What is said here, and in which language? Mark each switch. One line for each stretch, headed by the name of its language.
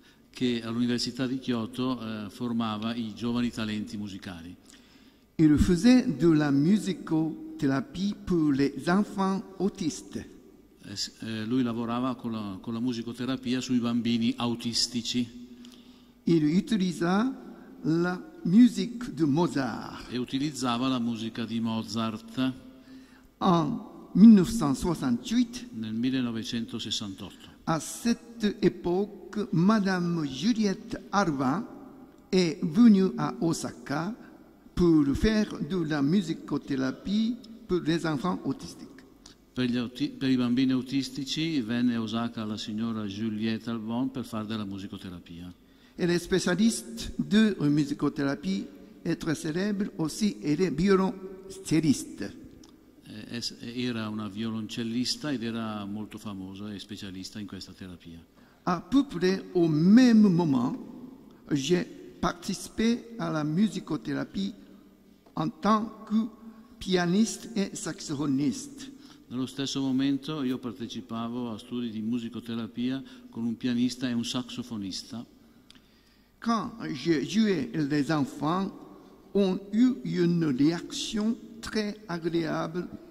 Italian: che all'Università di Kyoto formava i giovani talenti musicali.
French: Il faisait de la musicothérapie pour les enfants autistes.
Italian: Lui lavorava con la musicoterapia sui bambini autistici.
French: Il utilizza la musique de Mozart.
Italian: E utilizzava la musica di Mozart.
French: En 1968.
Italian: Nel 1968.
French: À cette époque, Madame Juliette Arvin est venue à Osaka pour faire de la musicothérapie pour les enfants autistiques.
Italian: Per i bambini autistici venne a Osaka la signora Juliette Arvin per fare della musicoterapia.
French: Elle est spécialiste de musicothérapie et très célèbre aussi, elle est violoncelliste.
Italian: Era una violoncellista ed era molto famosa e specialista in questa terapia.
French: A peu près au même moment, j'ai participé à la musicothérapie en tant que pianiste et saxophoniste.
Italian: Nello stesso momento io partecipavo a studi di musicoterapia con un pianista e un saxofonista.
French: Quand j'ai joué, les enfants ont eu une réaction très agréable.